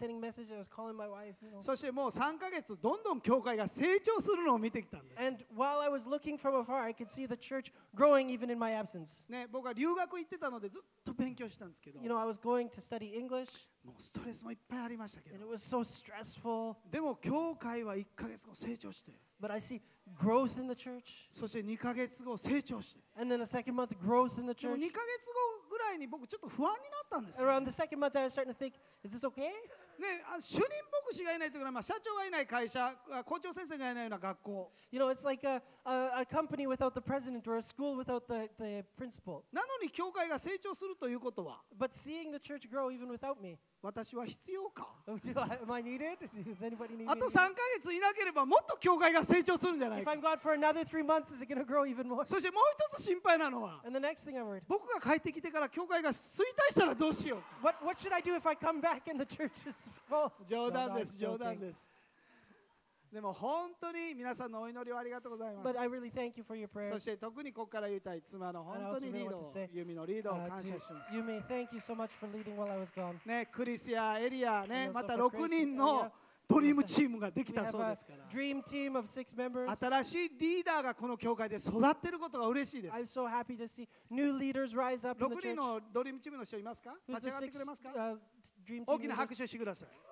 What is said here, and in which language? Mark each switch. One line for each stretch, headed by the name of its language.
Japanese: そしてもう3ヶ月どんどん教会が成長するのを見てきたんです。
English: And while I was looking from afar, I could see the church growing even in my absence.
Japanese: ね、僕は留学行ってたのでずっと勉強したんですけど、
English: You know, I was going to study English.
Japanese: もうストレスもいっぱいありましたけど、
English: And it was so stressful.
Japanese: でも教会は1ヶ月後成長して、
English: But I see growth in the church.
Japanese: そして2ヶ月後成長して、
English: And then a second month growth in the church.
Japanese: でも2ヶ月後ぐらいに僕ちょっと不安になったんですよ。
English: Around the second month, I was starting to think, is this okay?
Japanese: ね、主任牧師がいないというのは、社長がいない会社、校長先生がいないような学校。
English: You know, it's like a company without the president or a school without the principal.
Japanese: なのに教会が成長するということは、
English: But seeing the church grow even without me.
Japanese: 私は必要か。
English: Am I needed? Is anybody needed?
Japanese: あと3ヶ月いなければもっと教会が成長するんじゃないか。
English: If I'm gone for another 3 months, is it going to grow even more?
Japanese: そしてもう一つ心配なのは、
English: And the next thing I'm worried.
Japanese: 僕が帰ってきてから教会が衰退したらどうしよう。
English: What should I do if I come back and the church is false?
Japanese: 冗談です、冗談です。でも本当に皆さんのお祈りをありがとうございます。
English: But I really thank you for your prayers.
Japanese: そして特にここから言いたい妻の本当にリードを、ユミのリードを感謝します。
English: ユミ、thank you so much for leading while I was gone.
Japanese: ね、クリスやエリア、ね、また6人のドリームチームができたそうですから。
English: Dream team of 6 members.
Japanese: 新しいリーダーがこの教会で育っていることが嬉しいです。
English: I'm so happy to see new leaders rise up in the church.
Japanese: 6人のドリームチームの人いますか？立ち上がってくれますか？大きな拍手してください。